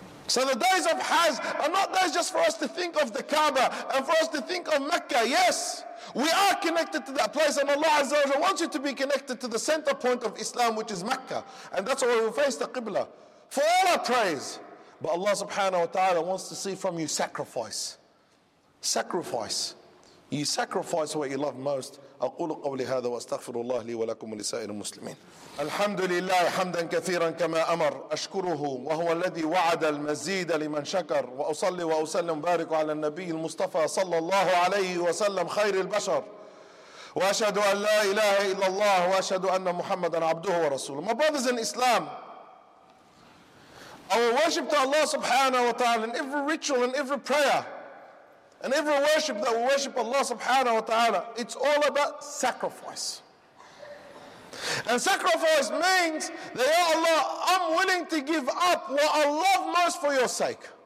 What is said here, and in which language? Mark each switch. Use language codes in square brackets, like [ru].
[en] So the days of Hajj are not days just for us to think of the Kaaba and for us to think of Mecca. Yes, we are connected to that place, and Allah Azza wa Jalla wants you to be connected to the center point of Islam, which is Mecca. And that's why we face the Qibla for all our prayers. But Allah subhanahu wa ta'ala wants to see from you sacrifice. Sacrifice. You sacrifice what you love most. [ar] أقول قولي هذا وأستغفر الله لي ولكم ولسائر المسلمين الحمد لله حمدا كثيرا كما أمر أشكره وهو الذي وعد المزيد لمن شكر وأصلي وأسلم بارك على النبي المصطفى صلى الله عليه وسلم خير البشر وأشهد أن لا إله إلا الله وأشهد أن محمدا عبده ورسوله. [en] My brothers in Islam, our worship to Allah subhanahu wa ta'ala in every ritual and every prayer and every worship that we worship Allah subhanahu wa ta'ala, it's all about sacrifice. And sacrifice means that, Ya Allah, I'm willing to give up what I love most for your sake.